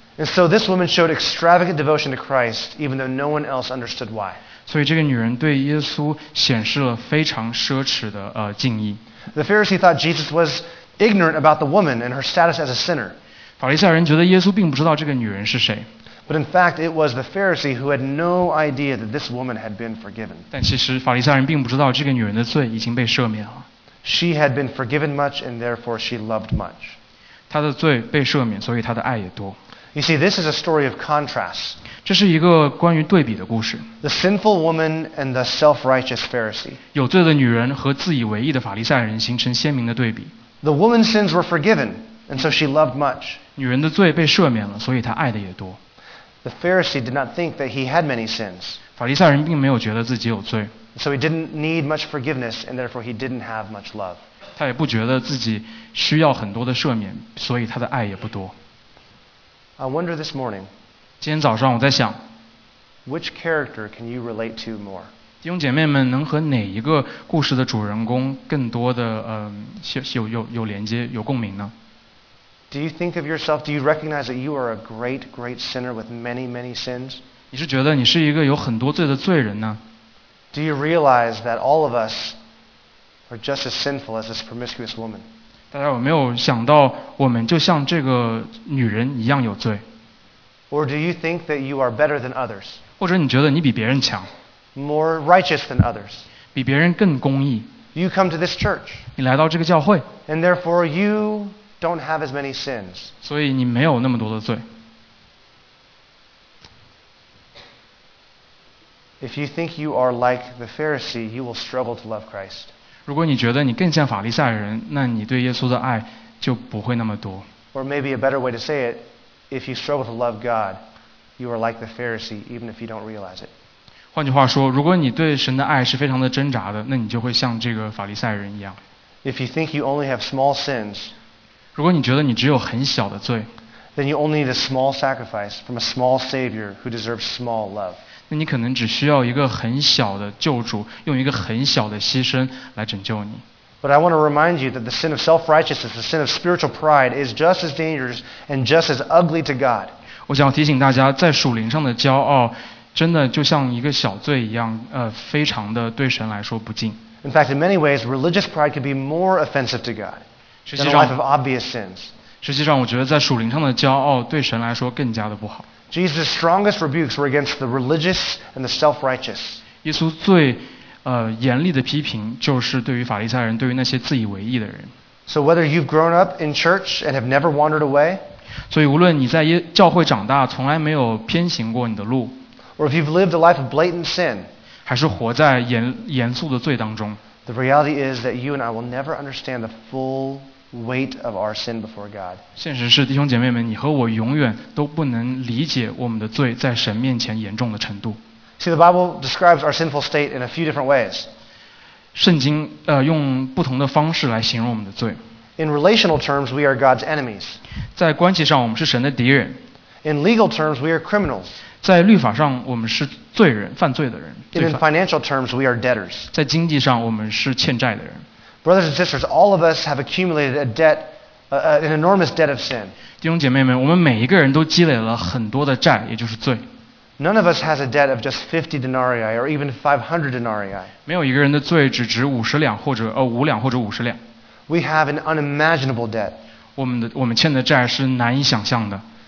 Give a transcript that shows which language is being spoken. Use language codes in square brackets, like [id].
[en] And so this woman showed extravagant devotion to Christ, even though no one else understood why. [zh] 所以这个女人对耶稣显示了非常奢侈的敬意。 [en] The Pharisee thought Jesus was ignorant about the woman and her status as a sinner. [zh] 法利赛人觉得耶稣并不知道这个女人是谁。 [en] But in fact, it was the Pharisee who had no idea that this woman had been forgiven. [zh] 但其实法利赛人并不知道这个女人的罪已经被赦免了。 [en] She had been forgiven much, and therefore she loved much. [zh] 她的罪被赦免，所以她的爱也多。 [en] You see, this is a story of contrast. [zh] 这是一个关于对比的故事。 [en] The sinful woman and the self-righteous Pharisee. [zh] 有罪的女人和自以为意的法利赛人形成鲜明的对比。 [en] The woman's sins were forgiven. And so she loved much. [zh] 女人的罪被赦免了，所以她爱的也多。 [en] The Pharisee did not think that he had many sins. [zh] 法利赛人并没有觉得自己有罪。 [en] So he didn't need much forgiveness, and therefore he didn't have much love. [zh] 他也不觉得自己需要很多的赦免，所以他的爱也不多。 [en] I wonder this morning. [zh] 今天早上我在想。 [en] Which character can you relate to more? [zh] 弟兄姐妹们能和哪一个故事的主人公更多的有连接、有共鸣呢？ [en] Do you think of yourself, do you recognize that you are a great, great sinner with many, many sins? [zh] 你是觉得你是一个有很多罪的罪人呢？ [en] Do you realize that all of us are just as sinful as this promiscuous woman? [zh] 大家有没有想到我们就像这个女人一样有罪？ [en] Or do you think that you are better than others? [zh] 或者你觉得你比别人强？ [en] More righteous than others? [zh] 比别人更公义？ [en] You come to this church. [zh] 你来到这个教会。 [en] And therefore you... Don't have as many sins. [zh] 所以你没有那么多的罪。 [en] If you think you are like the Pharisee, you will struggle to love Christ. [zh] 如果你觉得你更像法利赛人，那你对耶稣的爱就不会那么多。 [en] Or maybe a better way to say it, if you struggle to love God, you are like the Pharisee, even if you don't realize it. [zh] 换句话说，如果你对神的爱是非常的挣扎的，那你就会像这个法利赛人一样。 [en] If you think you only have small sins. [zh] 如果你觉得你只有很小的罪 [en] then you only need a small sacrifice from a small savior who deserves small love. [zh] 那你可能只需要一个很小的救主，用一个很小的牺牲来拯救你。 [en] But I want to remind you that the sin of self-righteousness, the sin of spiritual pride, is just as dangerous and just as ugly to God. [zh] 我想提醒大家，在属灵上的骄傲，真的就像一个小罪一样，非常的对神来说不敬。 [en] In fact, in many ways, religious pride could be more offensive to God. Than a life of obvious sins. [zh] 实际上我觉得在属灵上的骄傲对神来说更加的不好。 [en] Jesus' strongest rebukes were against the religious and the self-righteous. [zh] 耶稣最严厉的批评就是对于法利赛人，对于那些自以为意的人。 [en] So whether you've grown up in church and have never wandered away, [zh] 所以无论你在教会长大，从来没有偏行过你的路， [en] or if you've lived a life of blatant sin, [zh] 还是活在严肃的罪当中， [en] the reality is that you and I will never understand the full weight of our sin before God. [zh] 现实是，弟兄姐妹们，你和我永远都不能理解我们的罪在神面前严重的程度。 [en] See, the Bible describes our sinful state in a few different ways. [zh] 圣经用不同的方式来形容我们的罪。 [en] In relational terms, we are God's enemies. [zh] 在关系上，我们是神的敌人。 [en] In legal terms, we are criminals. [zh] 在律法上，我们是罪人，犯罪的人。 [en] In financial terms, we are debtors. [zh] 在经济上，我们是欠债的人。 [en] Brothers and sisters, all of us have accumulated a debt, an enormous debt of sin. [zh] 弟兄姐妹们，我们每一个人都积累了很多的债，也就是罪。 [en] None of us has a debt of just 50 denarii or even 500 denarii. [zh] 没有一个人的罪只值五两或者五十两。 [en] We have an unimaginable debt. [zh] 我们欠的债是难以想象的。